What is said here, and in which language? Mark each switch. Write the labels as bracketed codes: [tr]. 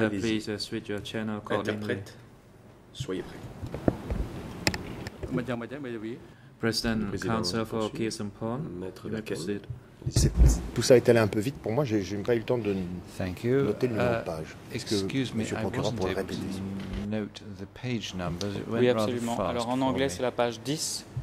[fr] allez-y. [en] Please switch your channel accordingly. [fr] Interprète, soyez prêt. [en] President, Counsel for Kyu Sampan, you may proceed. [fr] Tout ça est allé un peu vite pour moi, je n'ai pas eu le temps de noter le numéro de page. [en] Excuse me, [fr] Monsieur Procureur, [en] I wasn't able to note the page numbers. [fr] Oui, absolument. Alors, en anglais, c'est la page 10.